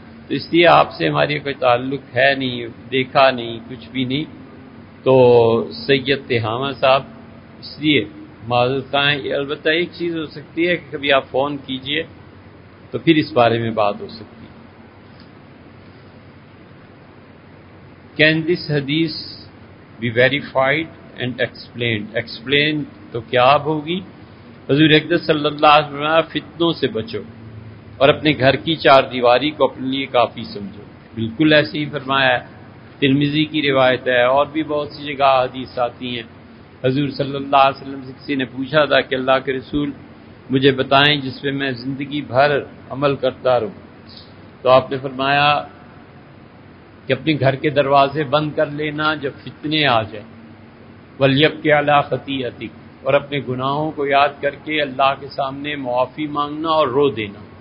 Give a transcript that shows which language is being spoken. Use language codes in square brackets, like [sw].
[ur] تو اس لیے آپ سے ہماری کوئی تعلق ہے نہیں، دیکھا نہیں، کچھ بھی نہیں. تو سید تہامہ صاحب اس لیے معذرت خواہ. البتہ ایک چیز ہو سکتی ہے کہ کبھی آپ فون کیجئے تو پھر اس بارے میں بات ہو سکتی. [en] Can this hadith be verified and explained? [ur] Explained تو کیا ہوگی؟ حضور اکرم صلی اللہ علیہ وسلم نے فتنوں سے بچو اور اپنے گھر کی چار دیواری کو اپنے لیے کافی سمجھو، بالکل ایسے ہی فرمایا ہے. ترمذی کی روایت ہے، اور بھی بہت سی جگہ حدیث آتی ہیں. حضور صلی اللہ علیہ وسلم سے کسی نے پوچھا تھا کہ اللہ کے رسول مجھے بتائیں جس پہ میں زندگی بھر عمل کرتا رہوں، تو آپ نے فرمایا کہ اپنے گھر کے دروازے بند کر لینا جب فتنے آ جائیں، [ar] ولیبکی علی خطیئتک، [ur] اور اپنے گناہوں کو یاد کر کے اللہ کے سامنے معافی مانگنا اور رو دینا.